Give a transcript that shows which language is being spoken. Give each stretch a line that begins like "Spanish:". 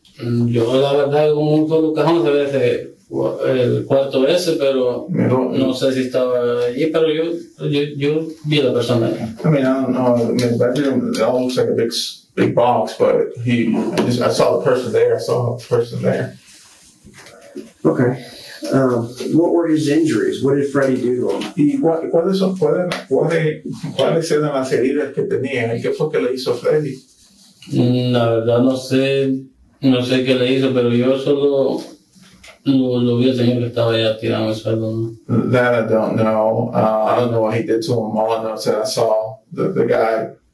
Spanish: Yo la verdad con un solo cajón se ve desde el cuarto ese, pero no sé si estaba allí, pero yo vi a la persona.
English: I mean, I don't know, in the bedroom, it all looks like a big box, but I saw the person there. Okay. What were his injuries? What did Freddy do to him?
Spanish: ¿Cuáles eran las heridas que tenía? ¿Qué fue que le hizo Freddy? La verdad no sé qué le hizo, pero yo solo lo vi al señor que estaba allá tirando el suelo.
English: That I don't know. I don't know what he did to him. All I know is that I saw the guy.